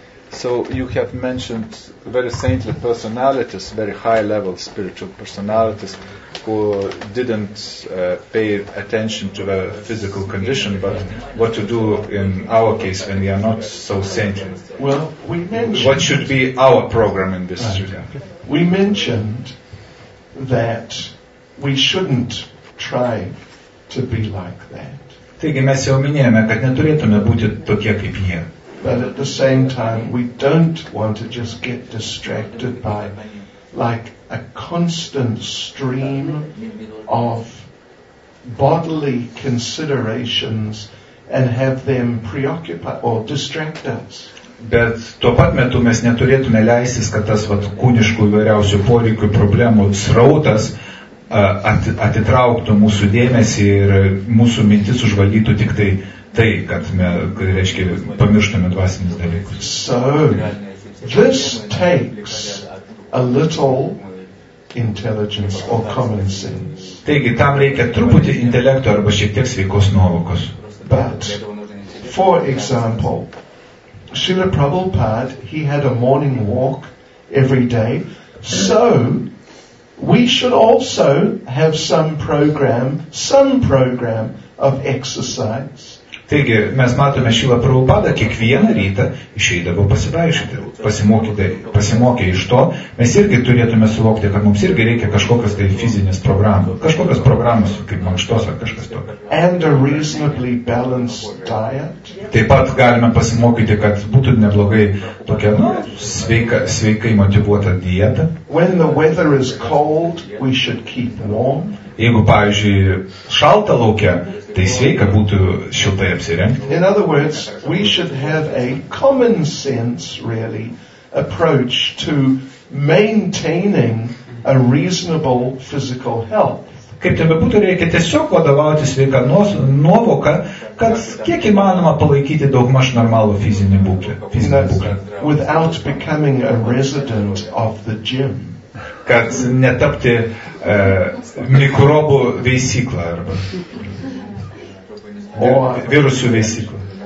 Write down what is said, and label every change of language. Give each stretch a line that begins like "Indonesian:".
English: So you have mentioned very saintly personalities, very high level spiritual personalities who didn't pay attention to their physical condition, but what to do in our case when we are not so saintly? Well, we mentioned what should be our program in this regard. We mentioned that we shouldn't try to be like that.
Lithuanian: Taigi mes jau minėjome, kad neturėtume būti tokie kaip jie.
English: But at the same time, we don't want to just get distracted by like a constant stream of bodily considerations and have them preoccupy or distract us.
Lithuanian: Bet tuo pat metu mes neturėtume leistis, kad tas vat, kūniškų įvairiausių poreikių problemų srautas atitrauktų mūsų dėmesį ir mūsų mintis užvaldytų tik tai tai, kad mes, reiškia, pamirštume dvasinius dalykus.
English: So, this takes a little intelligence or common sense.
Lithuanian: Taigi, tam reikia truputį intelekto arba šiek tiek sveikos nuovokos.
English: But, for example, Srila Prabhupada, he had a morning walk every day, so we should also have some program of exercise.
Lithuanian: Taigi, mes matome Šilą Prabhupadą kiekvieną rytą išeidavo pasivaikščioti, pasimokė iš to. Mes irgi turėtume suvokti, kad mums irgi reikia kažkokios tai fizinės programos, kažkokios programos, kaip mankštos ar kažkas to.
English: And a reasonably balanced diet.
Lithuanian: Taip pat galime pasimokyti, kad būtų neblogai tokia, sveikai motivuota dieta.
English: When the weather is cold, we should keep warm.
Lithuanian: Jeigu, pavyzdžiui, šalta laukia, tai sveika būtų šiltai apsirengti.
English: In other words, we should have a common sense, really, approach to maintaining a reasonable physical health.
Lithuanian: Kaip tebe būtų, reikia tiesiog vadovauti sveiką nuovoką, kad kiek įmanoma palaikyti daugmaž normalų fizinį būklę.
English: Without becoming a resident of the gym.
Lithuanian: Kad netapti mikrobų veisyklą arba virusų veisyklą.